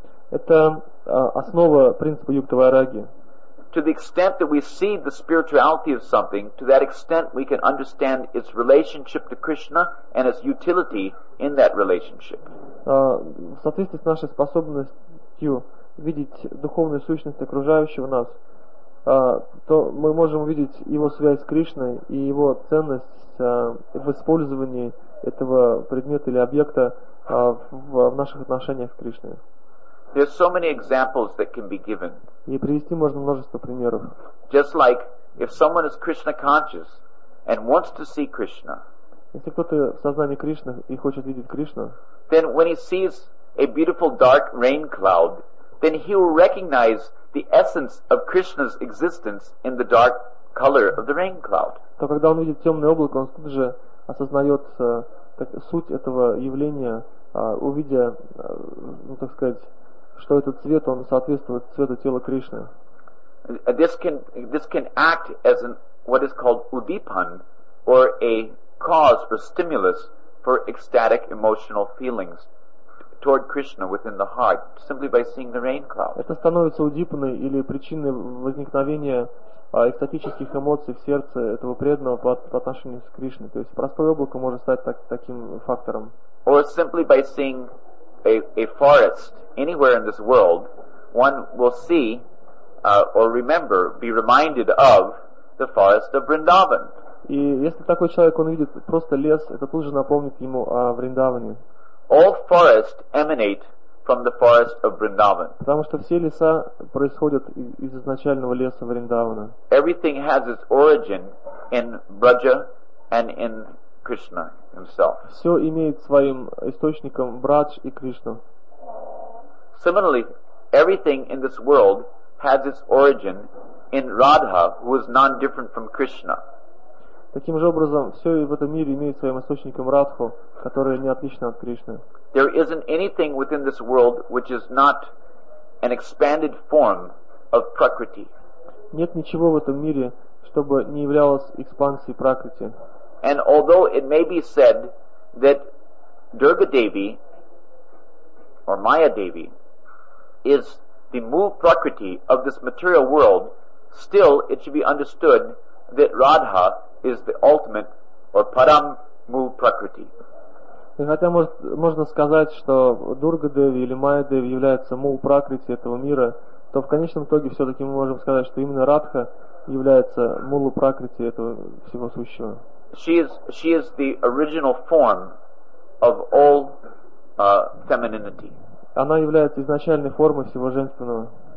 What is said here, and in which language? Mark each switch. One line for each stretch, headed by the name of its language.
Russian: Это основа принципа Юкта Вайрагья.
English: To the extent that we see the spirituality of something, to that extent we can understand its relationship to Krishna and its utility in that relationship.
Russian: В соответствии с нашей способностью видеть духовную сущность окружающего нас, то мы можем увидеть его связь с Кришной и его ценность в использовании этого предмета или объекта в наших отношениях с Кришной.
English: There's so many examples that can be given.
Russian: И привести можно множество примеров.
English: Just like if someone is Krishna conscious and wants to see Krishna.
Russian: Если кто-то в сознании Кришны и хочет видеть Кришну.
English: Then when he sees a beautiful dark rain cloud, then he will recognize the essence of Krishna's existence in the dark color of the rain cloud.
Russian: То когда он видит темное облако, он тут же осознает суть этого явления, увидя, ну так сказать. Что этот цвет, он соответствует цвету тела Кришны.
English: This can act as an what is called udipan, or a cause or stimulus for ecstatic emotional feelings toward Krishna within the heart, simply by seeing the rain cloud.
Russian: Это становится удипаной или причиной возникновения экстатических эмоций в сердце этого преданного по отношению к Кришне. То есть простое облако может стать таким фактором.
English: Or simply by seeing a forest anywhere in this world, one will see or remember, be reminded of the forest of Vrindavan.
Russian: И если такой человек он видит просто лес, это тут же напомнит ему о Вриндаване.
English: All forests emanate from the forest of Vrindavan.
Russian: Потому что все леса происходят из изначального леса Вриндавана.
English: Everything has its origin in Braja and in Krishna himself.
Russian: Все имеет своим источником Брадж и Кришну.
English: Similarly, everything in this world has its origin in Radha, who is non-different from Krishna.
Russian: Таким же образом, все в этом мире имеет своим источником Радху, которая не отлична от Кришны.
English: There isn't anything within this world which is not an expanded form of Prakriti.
Russian: Нет ничего в этом мире, чтобы не являлось экспансией Пракрити.
English: And although it may be said that Durga Devi or Maya Devi is the mool prakriti of this material world, still it should be understood that Radha is the ultimate or param mool prakriti.
Russian: И хотя можно сказать, что Дурга Деви или Майя Деви является мул пракрити этого мира, то в конечном итоге все-таки мы можем сказать, что именно Радха является мулу пракрити этого всего сущего.
English: She is the original form of all femininity.
Russian: Она является изначальной формой всего женственного.